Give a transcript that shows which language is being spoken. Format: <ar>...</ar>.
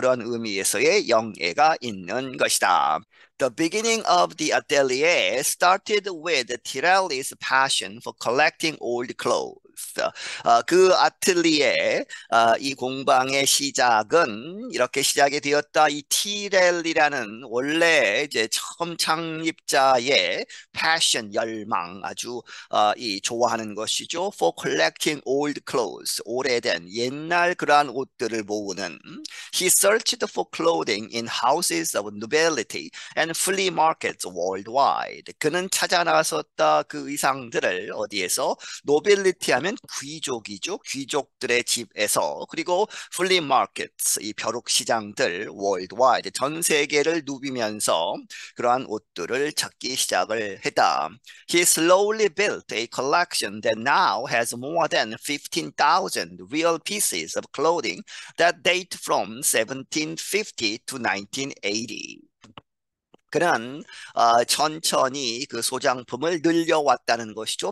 <ko>그런 의미에서의 영예가 있는 것이다.</ko> <en>The beginning of the atelier started with Tirelli's passion for collecting old clothes.</en> <ko>그 아틀리에 이 공방의 시작은 이렇게 시작이 되었다. 이 티렐리라는 원래 이제 처음 창립자의 패션 열망 아주 이 좋아하는 것이죠.</ko> <en>For collecting old clothes,</en> <ko>오래된 옛날 그러한 옷들을 모으는.</ko> <en>He searched for clothing in houses of nobility and flea markets worldwide.</en> <ko>그는 찾아 나섰다. 그 의상들을 어디에서 노빌리티 하면 귀족이죠. 귀족들의 집에서 그리고 플리 마켓스 이 벼룩 시장들 월드와이드 전 세계를 누비면서 그러한 옷들을 찾기 시작을 했다.</ko> <en>He slowly built a collection that now has more than 15,000 real pieces of clothing that date from 1750 to 1980.</en> <ko>그는 천천히 그 소장품을 늘려왔다는 것이죠.</ko>